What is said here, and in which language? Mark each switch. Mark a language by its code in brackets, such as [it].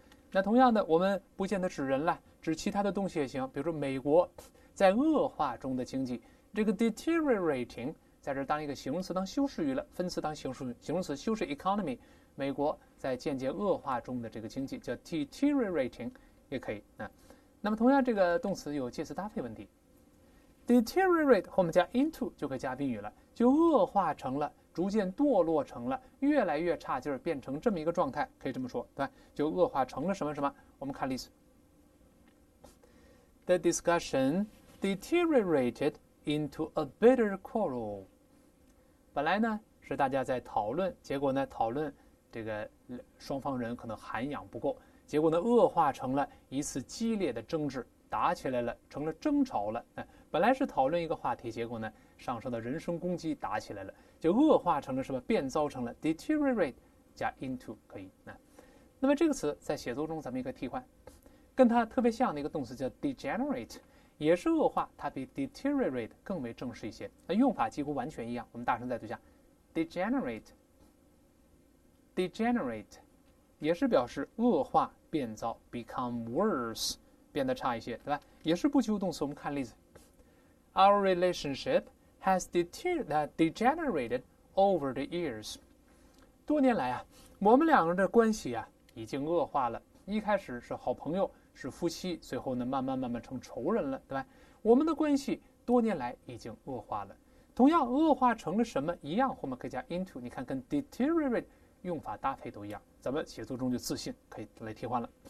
[zh] 那同样的，我们不见得指人了，指其他的东西也行，比如说美国在恶化中的经济，这个 deteriorating 在这当一个形容词当修饰语了，分词当形容词修饰 economy，美国在渐渐恶化中的这个经济叫 deteriorating，也可以啊。那么，同样这个动词有介词搭配问题，deteriorate 后面加 into 就可以加宾语了，就恶化成了，逐渐堕落成了，越来越差劲儿，变成这么一个状态，可以这么说，对吧？就恶化成了什么什么？我们看例子， [en] The discussion deteriorated into a bitter quarrel。 [zh] 本来呢是大家在讨论，结果呢讨论这个双方人可能涵养不够。结果呢，恶化成了一次激烈的争执，打起来了，成了争吵了。哎，本来是讨论一个话题，结果呢上升到人身攻击，打起来了，就恶化成了什么？变糟成了 deteriorate 加 into 可以啊。那么这个词在写作中咱们一个替换，跟它特别像的一个动词叫 degenerate，也是恶化，它比 deteriorate 更为正式一些。那用法几乎完全一样。我们大声再读一下：degenerate，degenerate，也是表示恶化、变糟，become worse，变得差一些，对吧？也是不及物动词。我们看例子： [en] Our relationship has degenerated over the years。 [zh] 多年来啊，我们两个人的关系啊，已经恶化了。一开始是好朋友。是夫妻，最后呢，慢慢成仇人了，对吧？我们的关系多年来已经恶化了。同样，恶化成了什么一样，后面可以加 into。你看，跟 deteriorate 用法搭配都一样，咱们写作中就自信，可以来替换了。